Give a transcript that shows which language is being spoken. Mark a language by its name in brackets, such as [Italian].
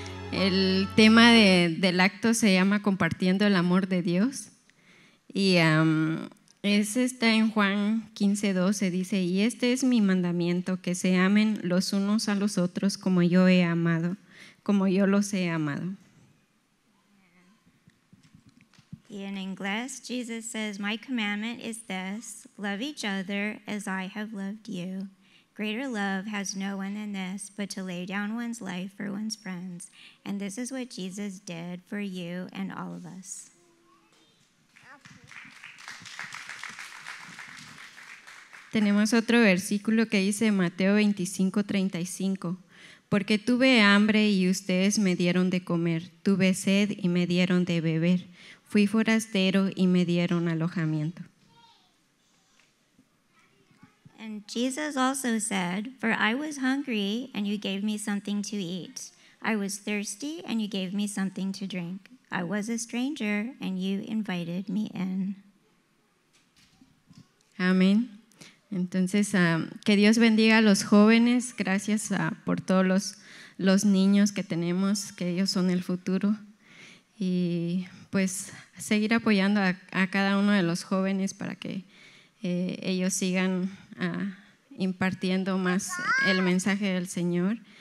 [Spanish] El tema del acto se llama Compartiendo el amor de Dios. Y está en Juan 15, 12, dice: y este es mi mandamiento, que se amen los unos a los otros como yo he amado, como yo los he amado. Y en inglés, [English] Jesus says, my commandment is this, love each other as I have loved you. Greater love has no one than this, but to lay down one's life for one's friends. And this is what Jesus did for you and all of us. [Spanish] Tenemos otro versículo que dice Mateo 25:35. Porque tuve hambre y ustedes me dieron de comer, tuve sed y me dieron de beber, fui forastero y me dieron alojamiento. [English] And Jesus also said, for I was hungry and you gave me something to eat. I was thirsty and you gave me something to drink. I was a stranger and you invited me in. [Spanish] Amén. Entonces, que Dios bendiga a los jóvenes, gracias por todos los niños que tenemos, que ellos son el futuro. Y pues seguir apoyando a cada uno de los jóvenes para que ellos sigan impartiendo más el mensaje del Señor.